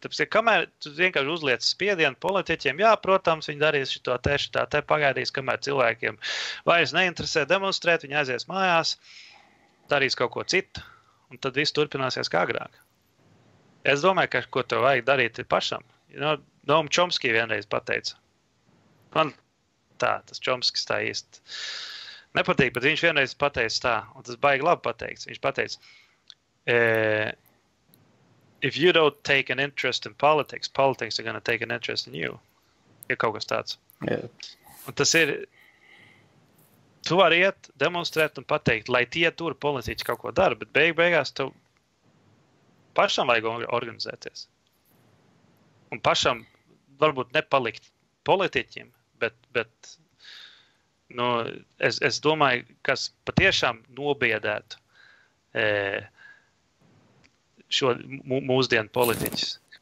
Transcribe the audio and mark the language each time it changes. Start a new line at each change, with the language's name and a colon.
Latvian: Tāpēc, ja kamēr tu vienkārši uzliec spiedienu politiķiem, jā, protams, viņi darīs šito tieši tā te pagaidīs, kamēr cilvēkiem vairs neinteresē demonstrēt, viņi aizies mājās, darīs kaut ko citu, un tad viss turpināsies kā agrāk. Es domāju, ka ko tev vajag darīt ir pašam. Noam Chomsky vienreiz pateica. Man tā, tas Chomsky tā īsti nepatīk, bet viņš vienreiz pateica tā, un tas baigi labi pateicis. Viņš pateica,
English: if you don't take an interest in politics, politics are going to take an interest in you.
Latvian: Ir kaut kas tāds.
English: Yeah.
Latvian: Un tas ir, tu vari iet, demonstrēt un pateikt, lai tie tur politiķi kaut ko dara, bet beigās tu pašam vajag organizēties. Un pašam varbūt nepalikt politiķim, bet nu, es domāju, kas patiešām nobiedētu šo mūsdienu politiķis.